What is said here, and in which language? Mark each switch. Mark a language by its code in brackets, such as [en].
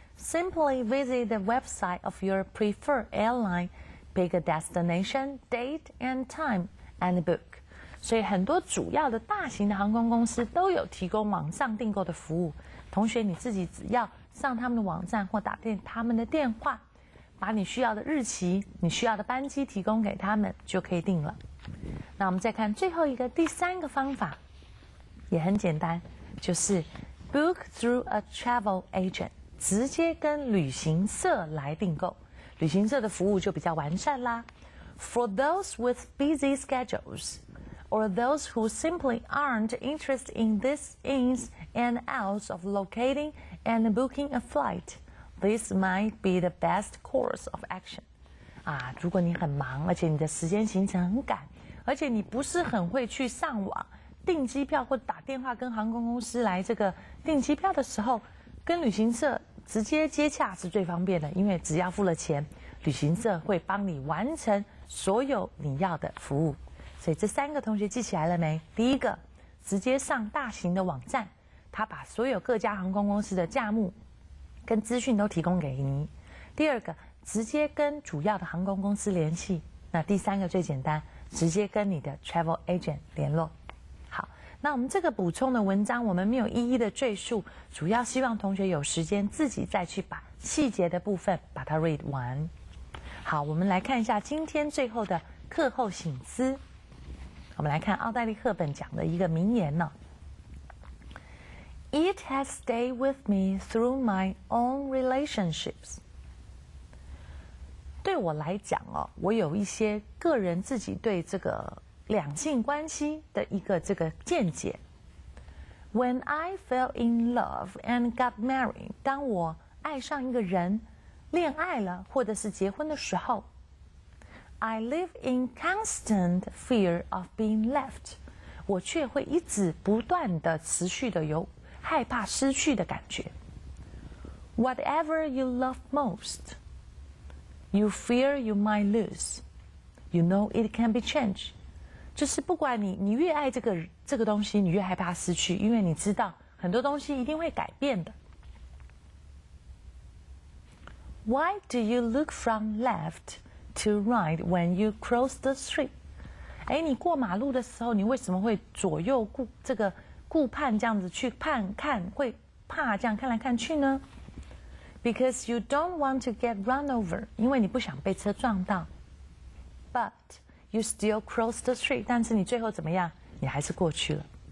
[en] Simply visit the website of your preferred airline, pick a destination, date, and time, and book. [zh] 所以，很多主要的大型的航空公司都有提供网上订购的服务。同学，你自己只要上他们的网站或打电他们的电话，把你需要的日期、你需要的班机提供给他们，就可以订了。那我们再看最后一个第三个方法，也很简单，就是 [en] book through a travel agent， [zh] 直接跟旅行社来订购，旅行社的服务就比较完善啦。 [en] For those with busy schedules or those who simply aren't interested in this ins and outs of locatingAnd booking a flight, this might be the best course of action. [zh] 啊，如果你很忙，而且你的时间行程很赶，而且你不是很会去上网订机票或打电话跟航空公司来这个订机票的时候，跟旅行社直接接洽是最方便的，因为只要付了钱，旅行社会帮你完成所有你要的服务。所以这三个同学记起来了没？第一个，直接上大型的网站。他把所有各家航空公司的价目跟资讯都提供给你。第二个，直接跟主要的航空公司联系。那第三个最简单，直接跟你的 travel agent 联络。好，那我们这个补充的文章我们没有一一的赘述，主要希望同学有时间自己再去把细节的部分把它 read 完。好，我们来看一下今天最后的课后醒思。我们来看奥黛丽·赫本讲的一个名言呢。 [en] It has stayed with me through my own relationships. [zh] 对我来讲哦，我有一些个人自己对这个两性关系的一个这个见解。 [en] When I fell in love and got married, [zh] 当我爱上一个人，恋爱了，或者是结婚的时候 [en] ，I live in constant fear of being left. [zh] 我却会一直不断的持续的有害怕失去的感觉。 [en] Whatever you love most, you fear you might lose. You know it can be changed. [zh] 就是不管你越爱这个东西，你越害怕失去，因为你知道很多东西一定会改变的。 [en] Why do you look from left to right when you cross the street? [zh] 哎，你过马路的时候，你为什么会左右顾这个？顾盼这样子去盼看，会怕这样看来看去呢 ？ [en] Because you don't want to get run over， [zh] 因为你不想被车撞到。 [en] But you still cross the street， [zh] 但是你最后怎么样？你还是过去了。